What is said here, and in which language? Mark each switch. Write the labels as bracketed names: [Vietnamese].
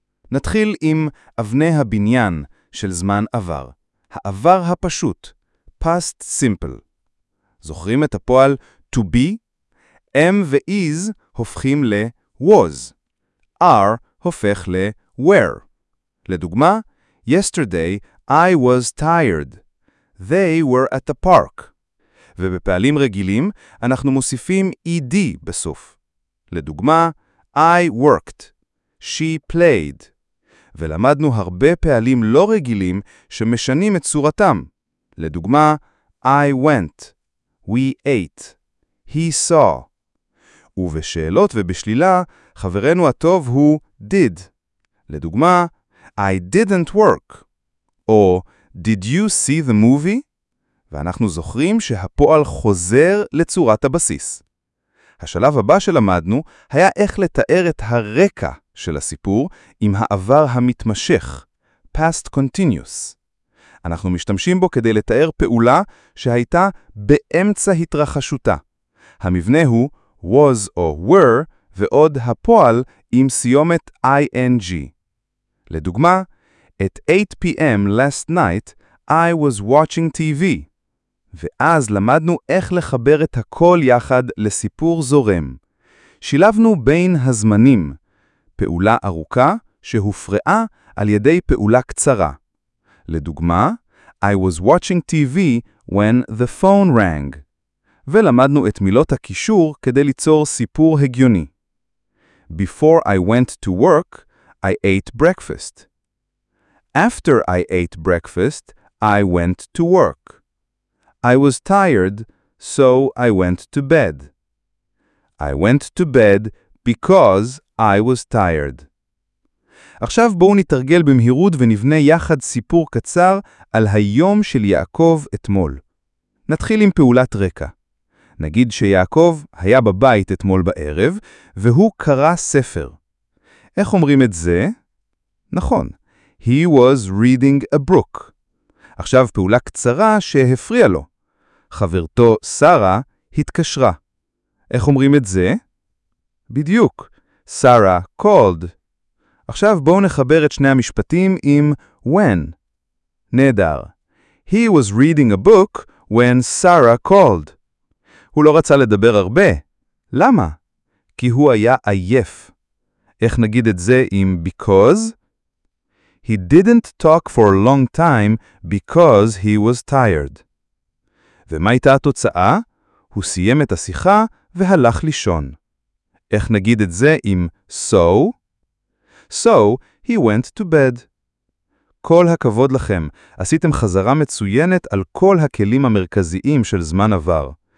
[Hebrew] נתחיל עם אבני הבניין של זמן עבר. העבר הפשוט, past simple. זוכרים את הפועל to be? am ו-is הופכים ל-was. are הופך ל-were. [English] לדוגמה, yesterday I was tired. They were at the park. [Hebrew] ובפעלים רגילים אנחנו מוסיפים ed בסוף. [English] לדוגמה, I worked. She played. [Hebrew] ולמדנו הרבה פעלים לא רגילים שמשנים את צורתם. [English] לדוגמה, I went. We ate. He saw. [Hebrew] ובשאלות ובשלילה, חברנו הטוב הוא did. [English] לדוגמה, I didn't work. או did you see the movie? [Hebrew] ואנחנו זוכרים שהפועל חוזר לצורת הבסיס. השלב הבא שלמדנו היה איך לתאר את הרקע של הסיפור עם העבר המתמשך, past continuous. אנחנו משתמשים בו כדי לתאר פעולה שהייתה באמצע התרחשותה. המבנה הוא was או were ועוד הפועל עם סיומת ing. [English] לדוגמה, at 8 p.m. last night I was watching TV. [Hebrew] ואז למדנו איך לחבר את הכל יחד לסיפור זורם. שילבנו בין הזמנים, פעולה ארוכה שהופרעה על ידי פעולה קצרה. [English] לדוגמה, I was watching TV when the phone rang. [Hebrew] ולמדנו את מילות הקישור כדי ליצור סיפור הגיוני. [English] Before I went to work, I ate breakfast. After I ate breakfast, I went to work. I was tired, so I went to bed. I went to bed because I was tired. [Hebrew] עכשיו בואו נתרגל במהירות ונבנה יחד סיפור קצר על היום של יעקב אתמול. נתחיל עם פעולת רקע. נגיד שיעקב היה בבית אתמול בערב, והוא קרא ספר. איך אומרים את זה? [English] נכון, he was reading a book. [Hebrew] עכשיו פעולה קצרה שהפריע לו. חברתו שרה התקשרה. איך אומרים את זה? בדיוק, שרה called. עכשיו בואו נחבר את שני המשפטים עם when. [English] נהדר, he was reading a book when Sarah called. [Hebrew] הוא לא רצה לדבר הרבה. למה? כי הוא היה עייף. איך נגיד את זה עם because? [English] He didn't talk for a long time because he was tired. [Hebrew] ומה הייתה התוצאה? הוא סיים את השיחה והלך לישון. איך נגיד את זה עם so? [English] So he went to bed. [Hebrew] כל הכבוד לכם, עשיתם חזרה מצוינת על כל הכלים המרכזיים של זמן עבר.